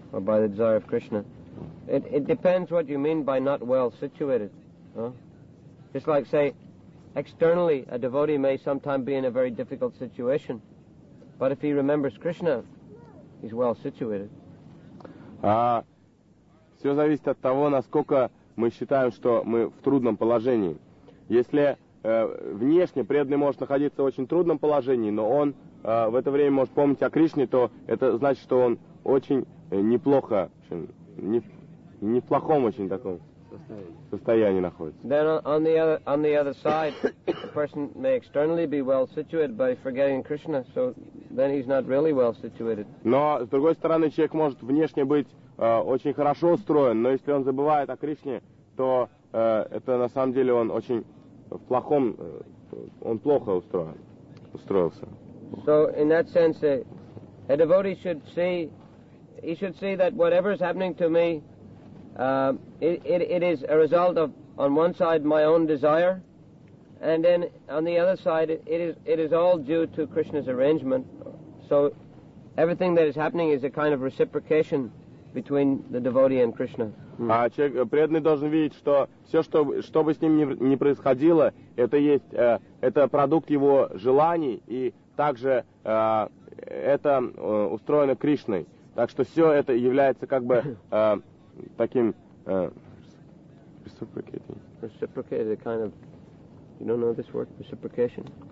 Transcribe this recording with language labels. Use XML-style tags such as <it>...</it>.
<en>Or by the desire of Krishna. It depends what you mean by not well situated. Huh? Just like, say, externally, a devotee may sometime be in a very difficult situation. But if he remembers Krishna, he's well situated.</en> <ru>Все зависит от того, насколько мы считаем, что мы в трудном положении. Если внешне преданный может находиться в очень трудном положении, но он в это время может помнить о Кришне, то это значит, что он очень неплохо, в общем, не в плохом очень таком состоянии находится.</ru> <en>Then on the other side, the person may externally be well situated, but forgetting Krishna, so then he's not really well situated.</en> <ru>Но с другой стороны, человек может внешне быть очень хорошо устроен, но если он забывает о Кришне, то это на самом деле он очень в плохом, он плохо устроился.</ru> <en>So in that sense, a devotee should see, he should see that whatever is happening to me, it is a result of on one side my own desire, and then on the other side it is all due to Krishna's arrangement. So everything that is happening is a kind of reciprocation between the devotee and Krishna.</en> <ru>А человек, преданный должен видеть, что все, что бы с ним ни происходило, это есть это продукт его желаний, и также это устроено Кришной. Так что все это является как бы таким</ru> <en>reciprocating. Reciprocating, kind of, you don't know this word, reciprocation.</en>